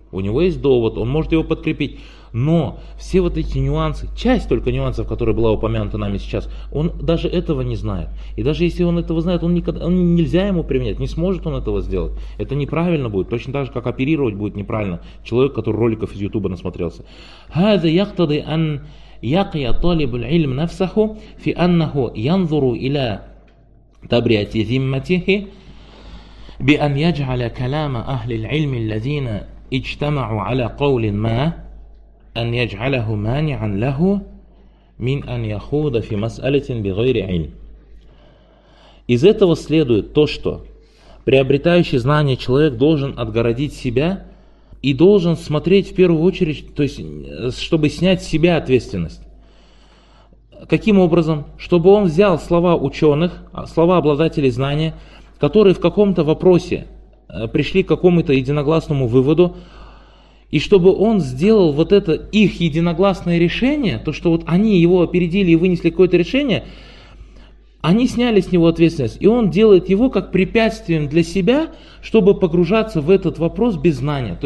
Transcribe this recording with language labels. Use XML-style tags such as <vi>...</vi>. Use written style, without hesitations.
<ru>У него есть довод, он может его подкрепить. Но все вот эти нюансы, часть только нюансов, которая была упомянута нами сейчас, он даже этого не знает. И даже если он этого знает, нельзя ему применять, не сможет он этого сделать. Это неправильно будет. Точно так же, как оперировать будет неправильно человек, который роликов из Ютуба насмотрелся.</ru> <ar>هذا يقتضي أن يقي طالب العلم نفسه في أنه ينظر إلى تبرئة ذمته بأن يجعل كلام أهل العلم الذين اجتمعوا على قول ما أن يجعله مانعا له من أن يخوض في مسألة بغير علم.</ar> <ru>Из этого следует то, что приобретающий знания человек должен отгородить себя и должен смотреть в первую очередь, то есть, чтобы снять с себя ответственность. Каким образом? Чтобы он взял слова ученых, слова обладателей знания, которые в каком-то вопросе пришли к какому-то единогласному выводу, и чтобы он сделал вот это их единогласное решение, то, что вот они его опередили и вынесли какое-то решение, они сняли с него ответственность, и он делает его как препятствием для себя, чтобы погружаться в этот вопрос без знания.</ru>